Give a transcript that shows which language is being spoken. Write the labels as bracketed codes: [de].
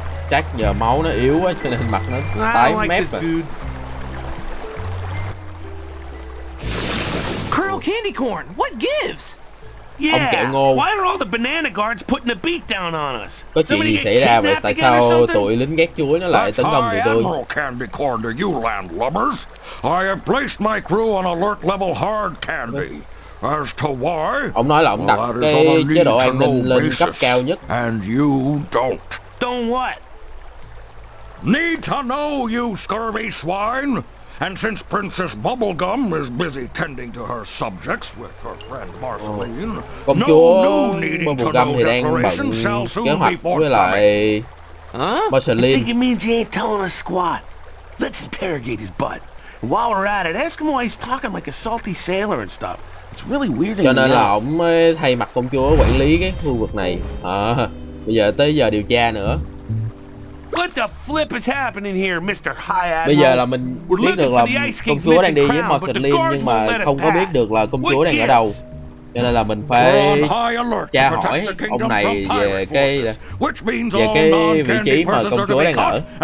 [vi] Chắc nhờ máu nó yếu quá cho nên mặt nó tái mét rồi. [en] Colonel Candycorn, what gives? [vi] Yeah. Ông kẹo ngô. [en] Why are all the banana guards putting a beat down on us? [vi] Có chuyện gì xảy ra vậy? Tại sao tụi lính ghét chuối nó lại tấn công tụi tôi? [en] Colonel Candycorn, to you landlubbers. I have placed my crew on alert level hard candy. As to why? [vi] Ông nói là ông đặt cái chế độ an ninh lên cấp cao nhất. [en] And you don't. Don't what? Need to know, you scurvy swine. And since Princess Bubblegum is busy tending to her subjects with her friend Marceline, no new needing to know declaration shall soon be forthcoming. Huh? I think it means he ain't telling us squat. Let's interrogate his butt. And while we're at it, ask him why he's talking like a salty sailor and stuff. It's really weird. [vi] Cho nên là ổng thay mặt công chúa quản lý cái khu vực này. Bây giờ tới giờ điều tra nữa. [en] What the flip is happening here, Mr. High Admiral? [vi] Bây giờ là mình biết được là công chúa đang đi với Marceline nhưng mà không có biết được là công chúa đang ở đâu. Cho nên là mình phải tra hỏi ông này về cái vị trí mà công chúa đang ở.